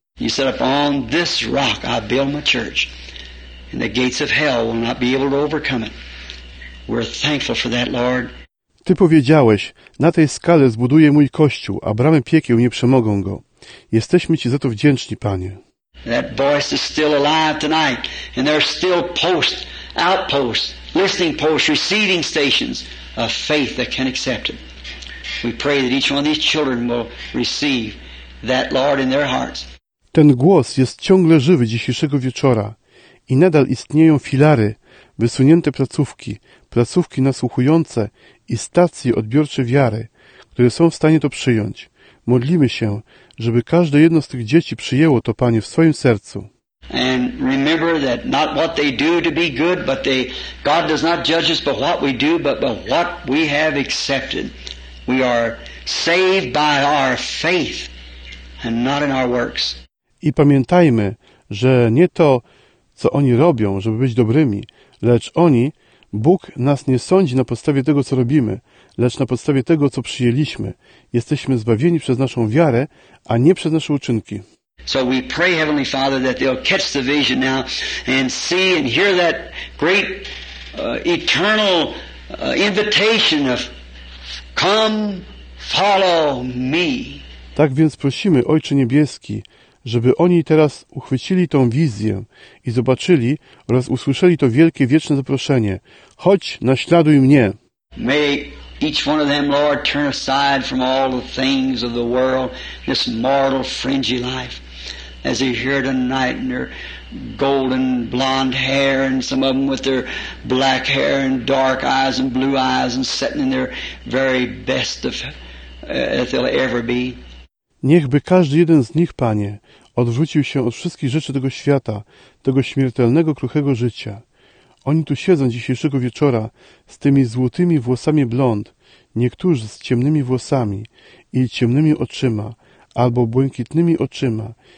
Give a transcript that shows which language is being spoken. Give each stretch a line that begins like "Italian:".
English: He said, "Upon this rock I build my church, and the gates of hell will not be able to overcome it." We're thankful for that, Lord.
Polish: Ty powiedziałeś: "Na tej skale zbuduję mój kościół, a bramy piekieł nie przemogą go." Jesteśmy ci za to wdzięczni, Panie.
English: That voice is still alive tonight, and there are still posts, outposts, listening posts, receiving stations of faith that can accept it. We pray that each one of these children will receive that, Lord, in their hearts.
Polish: Ten głos jest ciągle żywy dzisiejszego wieczora i nadal istnieją filary, wysunięte placówki, placówki nasłuchujące i stacje odbiorcze wiary, które są w stanie to przyjąć. Modlimy się, żeby każde jedno z tych dzieci przyjęło to, Panie, w swoim sercu.
English: And remember that not what they do to be good, but God does not judge us by what we do, but by what we have accepted. We are saved by our faith and not in our works.
Polish: I pamiętajmy, że nie to, co oni robią, żeby być dobrymi, lecz oni, Bóg nas nie sądzi na podstawie tego, co robimy, lecz na podstawie tego, co przyjęliśmy. Jesteśmy zbawieni przez naszą wiarę, a nie przez nasze uczynki.
English: So we pray, Heavenly Father, that they'll catch the vision now and see and hear that great eternal invitation of come, follow me.
Polish: Tak więc prosimy, Ojcze Niebieski, żeby oni teraz uchwycili tą wizję i zobaczyli oraz usłyszeli to wielkie, wieczne zaproszenie. Chodź, naśladuj mnie.
English: May each one of them, Lord, turn aside from all the things of the world, this mortal, fringy life. As they hear tonight in their golden blonde hair, and some of them with their black hair and dark eyes and blue eyes, and sitting in their very best of as they'll ever be.
Polish: Niechby każdy jeden z nich, Panie, odwrócił się od wszystkich rzeczy tego świata, tego śmiertelnego, kruchego życia. Oni tu siedzą dzisiejszego wieczora z tymi złotymi włosami blond, niektórzy z ciemnymi włosami i ciemnymi oczyma, albo błękitnymi oczyma.